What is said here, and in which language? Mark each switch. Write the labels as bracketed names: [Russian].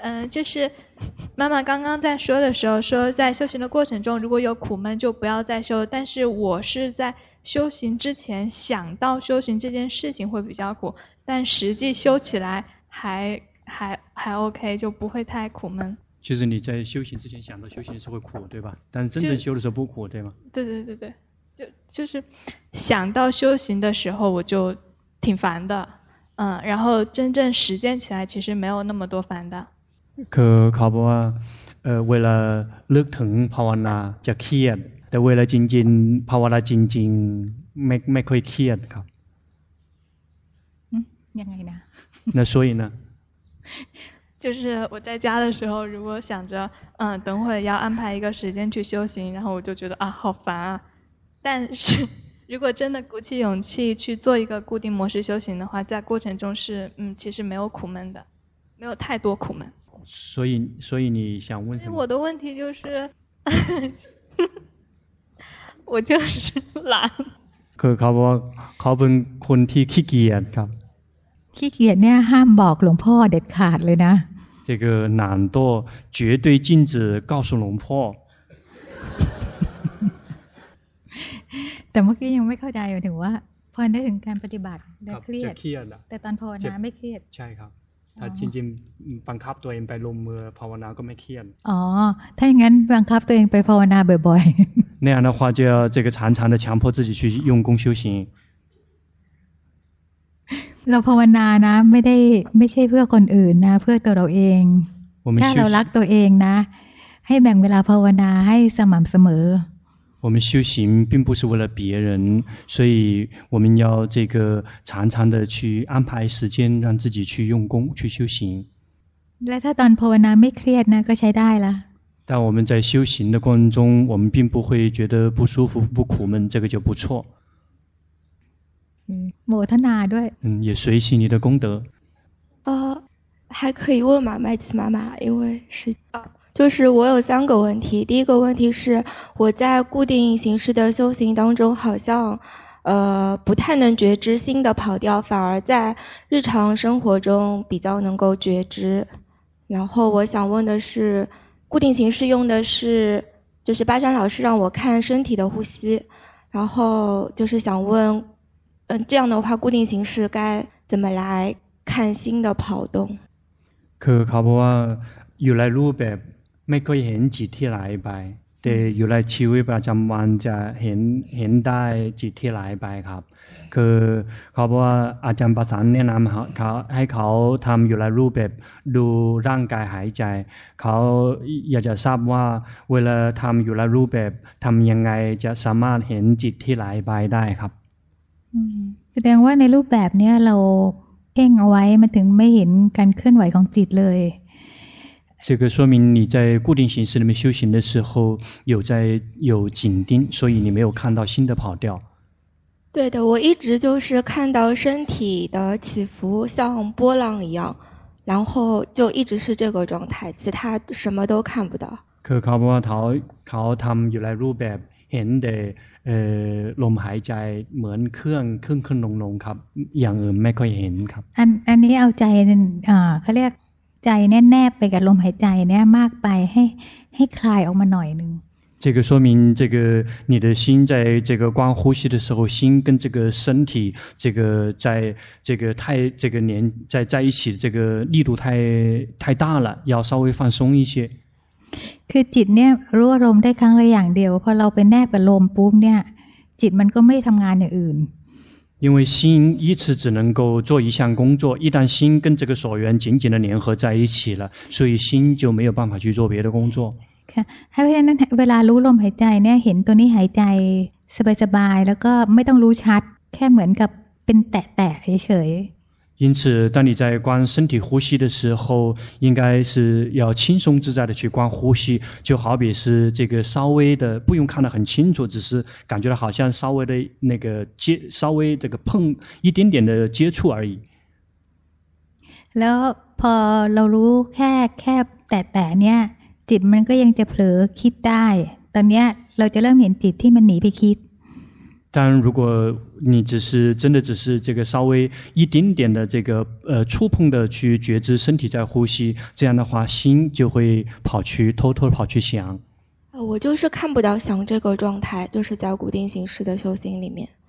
[Chinese] 就是妈妈刚刚在说的时候说，在修行的过程中如果有苦闷就不要再修，但是我是在修行之前想到修行这件事情会比较苦，但实际修起来还 OK， 就不会太苦闷。就是你在修行之前想到修行是会苦对吧，但真正修的时候不苦对吗？对对对对，就是想到修行的时候我就挺烦的，然后真正实践起来其实没有那么多烦的。 [Thai] คือเขาบอกว่าเวลาเลือกถึงภาวนาจะเครียดแต่เวลาจริงๆภาวนาจริงๆไม่ค่อยเครียดครับ ยังไงนะ [Chinese] 那所以呢就是我在家的时候如果想着等会要安排一个时间去修行，然后我就觉得啊好烦啊，但是如果真的鼓起勇气去做一个固定模式修行的话，在过程中是其实没有苦闷的，没有太多苦闷。所以你想问什么？我的问题就是我就是懒。可是 [Thai] เขาเป็นคนที่ขี้เกียจครับ。 ขี้เกียจเนี่ยห้ามบอกหลวงพ่อเด็ดขาดเลยนะ。 [Chinese] 这个懒惰绝对禁止告诉龙婆。 [Thai] แต่เมื่อกี้ยังไม่เข้าใจถึงว่าพอได้ถึงการปฏิบัติได้เครีย ดเครียด แต่ตอนภาวนาไม่เครียด ใช่ครับถ้าจริงๆบังคับตัวเองไปลงมือภาวนาก็ไม่เครียด อ๋อถ้าอย่างนั้นบังคับตัวเองไปภาวนาบ่อย [Chinese] ๆ那样的话就要这个常常的强迫自己去用功修行 [Thai] เราภาวนานะไม่ใช่เพื่อคนอื่นนะเพื่อตัวเราเองถ้าเรารักตัวเองนะให้แบ่งเวลาภาวนาให้สม่ำเสมอ [Chinese] 我们修行并不是为了别人，所以我们要这个常常的去安排时间，让自己去用功去修行。那他当 [Thai] ภาวนาไม่เครียดนะก็ใช้ได้ละ。 [Chinese] 但我们在修行的过程中，我们并不会觉得不舒服、不苦闷，这个就不错。 [Thai] โมทนาด้วย。 [Chinese] 也随喜你的功德。还可以问吗，麦琪妈妈？因为是啊。就是我有三个问题，第一个问题是我在固定形式的修行当中好像不太能觉知心的跑掉，反而在日常生活中比较能够觉知。然后我想问的是，固定形式用的是就是巴山老师让我看身体的呼吸，然后就是想问这样的话固定形式该怎么来看心的跑动。可是考不完 [Thai] อยู่ในรูปแบบไม่เคยเห็นจิตที่ไหลไปแต่อยู่ในชีวิตประจำวันจะเห็นได้จิตที่ไหลไปครับคือเขาบอกว่าอาจารย์ประสานแนะนำเขาให้เขาทำอยู่ในรูปแบบดูร่างกายหายใจเขาอยากจะทราบว่าเวลาทำอยู่ในรูปแบบทำยังไงจะสามารถเห็นจิตที่ไหลไปได้ครับ แสดงว่าในรูปแบบนี้เราเพ่งเอาไว้มันถึงไม่เห็นการเคลื่อนไหวของจิตเลย [Chinese] 这个说明你在固定形式里面修行的时候有紧盯，所以你没有看到心的跑掉。对的，我一直就是看到身体的起伏像波浪一样，然后就一直是这个状态，其他什么都看不到。 [Thai] คือเขาบอกว่าเขาทำอยู่ในรูปแบบเห็นแต่ลมหายใจเหมือนเครื่องขึ้นขึ้นลงลงครับอย่างอื่นไม่ค่อยเห็นครับ อันนี้เอาใจเขาเรียกใจแน่บไปกับลมหายใจเนี่ยมากไปให้คลายออกมาหน่อยนึง [Chinese] 这个说明这个你的心在这个光呼吸的时候心跟这个身体这个在这个太这个连在一起这个力度太大了要稍微放松一些 [Thai] คือจิตเนี่ยรู้อารมณ์ได้ครั้งละอย่างเดียวพอเราไปแนบกับลมปุ๊บเนี่ยจิตมันก็ไม่ทำงานอย่างอื่น [Chinese] 因为心一次只能够做一项工作，一旦心跟这个所缘紧紧的联合在一起了，所以心就没有办法去做别的工作。 [Thai] ค่ะ เพราะฉะนั้นเวลารู้ลมหายใจเนี่ยเห็นตัวนี้หายใจสบายๆแล้วก็ไม่ต้องรู้ชัดแค่เหมือนกับเป็นแตะๆเฉยๆ [Chinese] 因此，当你在观身体呼吸的时候，应该是要轻松自在的去观呼吸，就好比是这个稍微的不用看得很清楚，只是感觉到好像稍微的那个接，稍微这个碰一点点的接触而已。 [Thai] แล้วพอเรารู้แค่แตะๆเนี่ยจิตมันก็ยังจะเผลอคิดได้ตอนเนี้ยเราจะเริ่มเห็นจิตที่มันหนีไปคิด [Chinese] 但如果你只是真的只是这个稍微一点点的这个触碰的去觉知身体在呼吸，这样的话心就会跑去偷偷跑去想。我就是看不到想这个状态，就是在固定形式的修行里面。